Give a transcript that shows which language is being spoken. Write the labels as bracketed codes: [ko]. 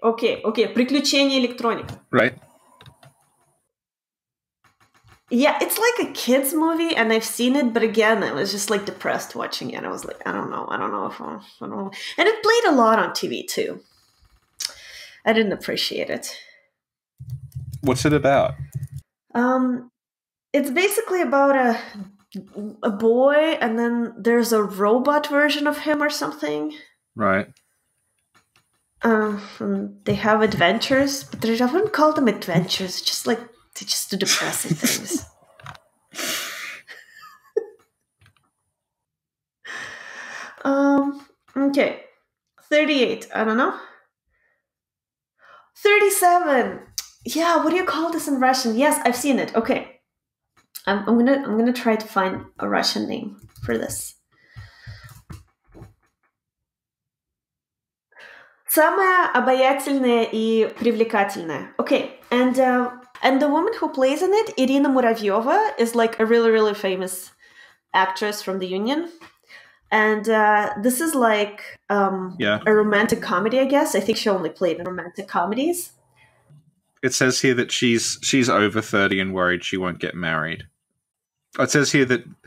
[ru] Приключения электроника. [en] Right. Yeah, it's like a kid's movie, and I've seen it, but again, I was just, like, depressed watching it. I was like, I don't know. And it played a lot on TV, too. I didn't appreciate it. What's it about? It's basically about a boy, and then there's a robot version of him or something. Right. They have adventures, but I wouldn't call them adventures. Just like, they just do depressing things. Okay. 38. I don't know. 37. Yeah. What do you call this in Russian? Yes, I've seen it. Okay. I'm gonna try to find a Russian name for this. [ru] Самая обаятельная и привлекательная. [en] Okay, and the woman who plays in it, Ирина Муравьева, is like a really, really famous actress from the Union. And this is like a romantic comedy, I guess. I think she only played in romantic comedies. It says here that she's over 30 and worried she won't get married. It says here that